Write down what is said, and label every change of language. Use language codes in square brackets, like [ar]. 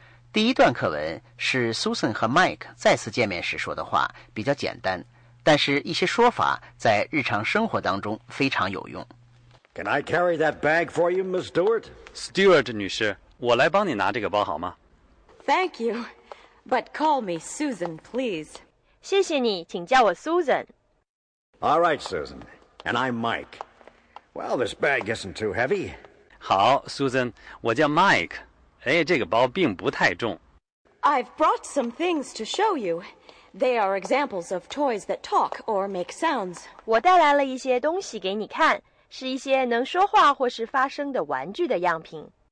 [zh] 第一段课文是 Susan 和 Mike 再次见面时说的话，比较简单，但是一些说法在日常生活当中非常有用。 [en] Can I carry that bag for you, Miss Stewart? [zh] Stewart 女士，我来帮你拿这个包好吗？ [en] Thank you, but call me Susan, please. [zh] 谢谢你，请叫我 Susan。 [en] All right, Susan, and I'm Mike. Well, this bag isn't too heavy. [zh] 好 ，Susan， 我叫 Mike。哎，这个包并不太重。 [en] I've brought some things to show you. They are examples of toys that talk or make sounds. [zh] 我带来了一些东西给你看，是一些能说话或是发声的玩具的样品。